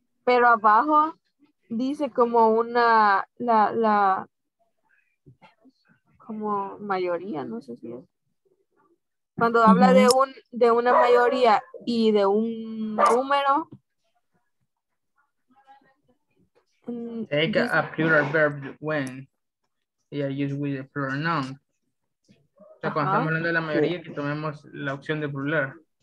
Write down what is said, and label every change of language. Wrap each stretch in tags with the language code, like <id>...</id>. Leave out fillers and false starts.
<es>Pero abajo dice como una la como mayoría, no sé si es. Cuando habla de una mayoría y de un número.</es> <en>Take a plural verb when they are used with a plural noun.</en> <es>O sea, cuando estamos hablando de la mayoría, que tomemos la opción de plural.</es>